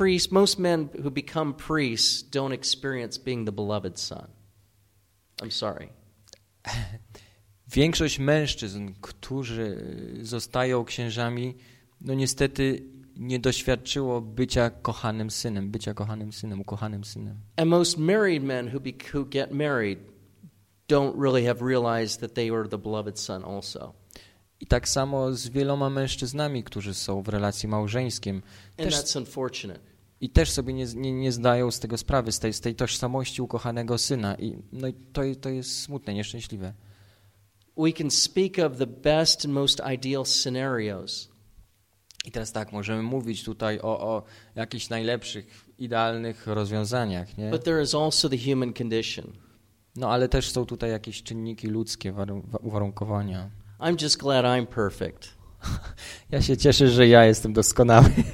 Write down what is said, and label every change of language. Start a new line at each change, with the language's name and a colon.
English: Most men who become priests don't experience being the beloved son. I'm sorry.
Polish: Większość mężczyzn, którzy zostają księżami, no niestety nie doświadczyło bycia kochanym synem, ukochanym synem.
English: And most married men who get married don't really have realized that they were the beloved son also.
Polish: I tak samo z wieloma mężczyznami, którzy są w relacji małżeńskim.
English: And that's unfortunate.
Polish: I też sobie nie zdają z tego sprawy, z tej tożsamości ukochanego syna. I no i to jest smutne, nieszczęśliwe.
English: We can speak of the best and most ideal scenarios.
Polish: I teraz tak, możemy mówić tutaj o jakichś najlepszych, idealnych rozwiązaniach, nie?
English: But there is also the human condition.
Polish: No ale też są tutaj jakieś czynniki ludzkie, uwarunkowania.
English: I'm just glad I'm perfect.
Polish: Ja się cieszę, że ja jestem doskonały.